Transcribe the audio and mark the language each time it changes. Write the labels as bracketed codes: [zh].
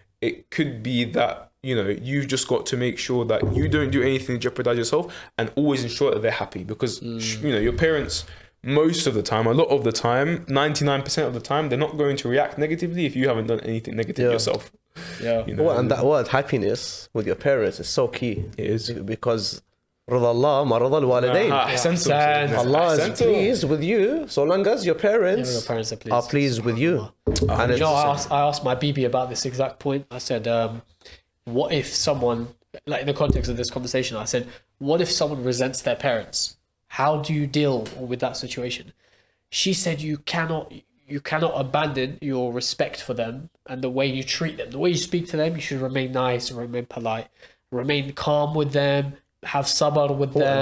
[en] It could be that, you know, you've just got to make sure that you don't do anything to jeopardize yourself and always ensure that they're happy. Because, you know, your parents... Most of the time, a lot of the time, 99% of the time, they're not going to react negatively if you haven't done anything negative yourself. Yeah. You know? Well, and that word happiness with your parents is so key. It is. Because [ar] رضى الله ما رضى الوالدين. [en] Allah is pleased with you so long as your parents are pleased with you. And you know, I asked my BB about this exact point. I said, what if someone like in the context of this conversation, I said, what if someone resents their parents? How do you deal with that situation? She said, you cannot abandon your respect for them and the way you treat them. The way you speak to them, you should remain nice, remain polite, remain calm with them, have sabr with them.